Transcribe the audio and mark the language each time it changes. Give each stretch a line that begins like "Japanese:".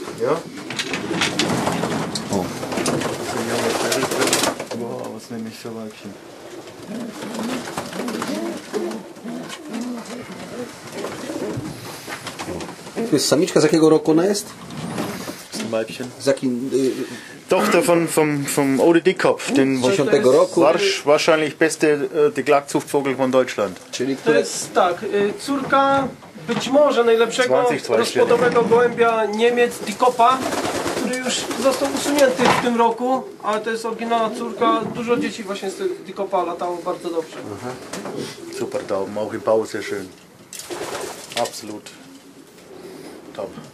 Polish: O. To jest samiczka, z jakiego roku ona jest? Z tym
German: Weibchen.
Polish: Z jakim?
German: Tochter von Ode Dickkopf, den
Polish: 10. roku.
German: Wahrscheinlich beste Deklagzuchtvogel von Deutschland.
Polish: Czyli to jest tak, córka być może najlepszego rozpodowego gołębia Niemiec, Dickkopfa, który już został usunięty w tym roku, ale to jest oryginalna córka. Dużo dzieci właśnie z tych Dickkopfa latało bardzo dobrze. Aha. Super, to małe pauzy,
German: schön.
Polish: Absolut. Top.